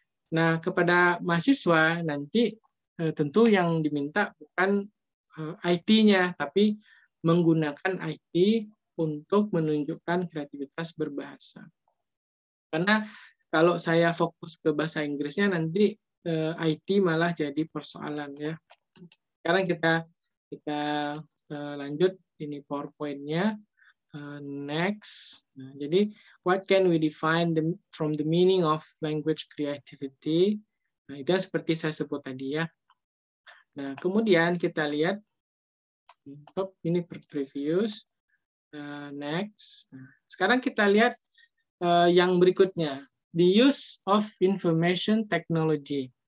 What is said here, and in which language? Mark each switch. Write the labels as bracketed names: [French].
[Indonesian] Nah, kepada mahasiswa nanti tentu yang diminta bukan IT-nya, tapi menggunakan IT untuk menunjukkan kreativitas berbahasa. Karena kalau saya fokus ke bahasa Inggrisnya, nanti IT malah jadi persoalan, ya. Sekarang kita lanjut ini PowerPoint-nya. [English] Next. [Indonesian] Nah, jadi [English] what can we define from the meaning of language creativity? [Indonesian] Nah, itu seperti saya sebut tadi, ya. Nah, kemudian kita lihat ini previous. Next. Sekarang kita lihat yang berikutnya. [English] The use of information technology.